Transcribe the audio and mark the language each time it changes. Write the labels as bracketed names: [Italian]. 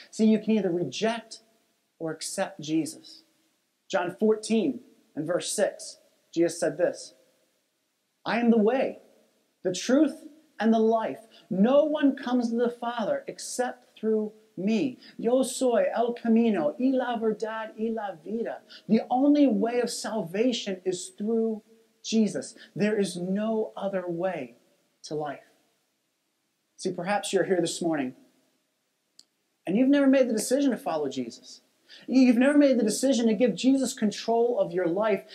[English] See, you can either reject or accept Jesus. John 14 and verse 6, Jesus said this, I am the way, the truth, and the life. No one comes to the Father except through me. [Spanish] Yo soy el camino y la verdad y la vida. [English] The only way of salvation is through Jesus. There is no other way to life. See, perhaps you're here this morning and you've never made the decision to follow Jesus. You've never made the decision to give Jesus control of your life.